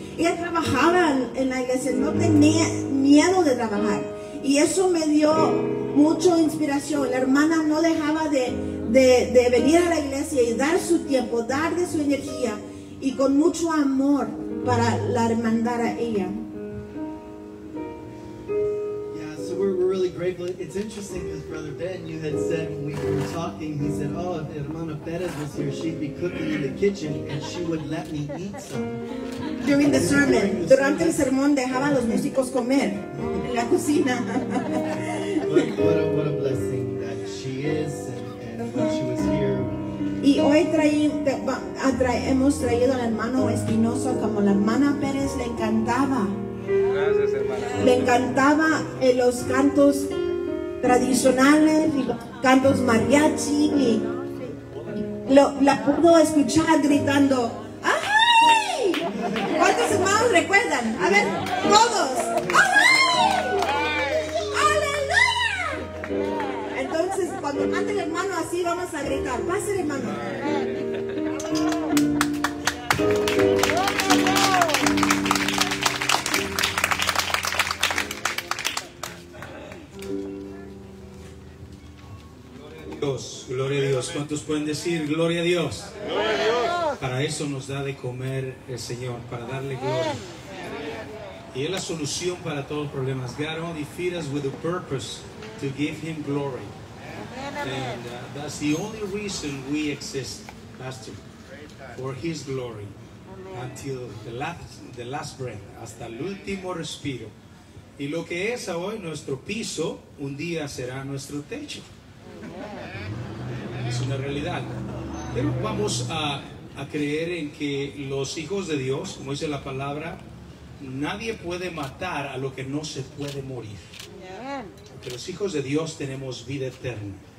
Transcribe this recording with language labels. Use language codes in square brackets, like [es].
[es] Ella trabajaba en la iglesia, no tenía miedo de trabajar. Y eso me dio mucha inspiración. La hermana no dejaba de venir a la iglesia y dar su tiempo, dar de su energía y con mucho amor para la hermandad a ella. [en] We're really grateful. It's interesting because Brother Ben, you had said when we were talking, he said, oh, if Hermana Perez was here, she'd be cooking in the kitchen and she would let me eat some. During the sermon. [es] Durante el sermón dejaba a los músicos comer en la cocina. [en] What a blessing that she is and when she was here. [es] Y hoy hemos traído al hermano Espinoso como la hermana Perez le encantaba. Le encantaba los cantos tradicionales, cantos mariachi, y la pudo escuchar gritando, ¡ay! ¿Cuántos hermanos recuerdan? A ver, todos. ¡Ay! ¡Aleluya! Entonces, cuando mate el hermano así, vamos a gritar, ¡pase el hermano! Gloria a Dios. ¿Cuántos pueden decir gloria a Dios? Gloria a Dios. Para eso nos da de comer el Señor, para darle gloria. Y es la solución para todos los problemas. [en] God only feeds us with a purpose to give Him glory. And that's the only reason we exist, Pastor, for His glory. Until the last breath, [es] hasta el último respiro. Y lo que es hoy nuestro piso, un día será nuestro techo. Es una realidad, pero vamos a creer en que los hijos de Dios, como dice la palabra, nadie puede matar a lo que no se puede morir, porque los hijos de Dios tenemos vida eterna.